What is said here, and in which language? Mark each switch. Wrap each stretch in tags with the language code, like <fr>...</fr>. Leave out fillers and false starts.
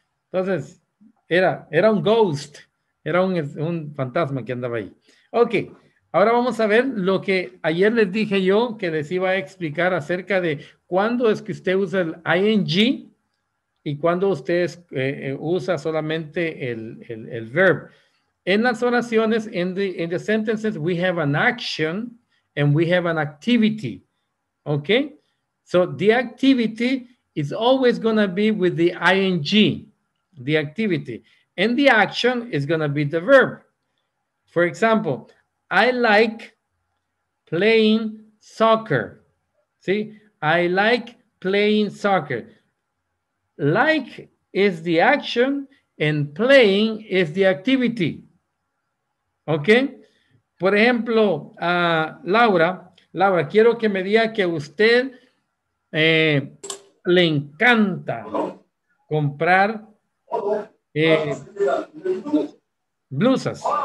<es>Entonces, era un ghost. Era un fantasma que andaba ahí. Ok. Ahora vamos a ver lo que ayer les dije yo que les iba a explicar acerca de cuándo es que usted usa el ING... Y cuando usted usa solamente el verb. En las oraciones,</es> <en>in the sentences, we have an action and we have an activity. Okay? So the activity is always going to be with the ing, the activity. And the action is going to be the verb. For example, I like playing soccer. See? I like playing soccer. Like is the action and playing is the activity. Okay?</en> <es>Por ejemplo, Laura, quiero que me diga que usted le encanta comprar blusas.</es>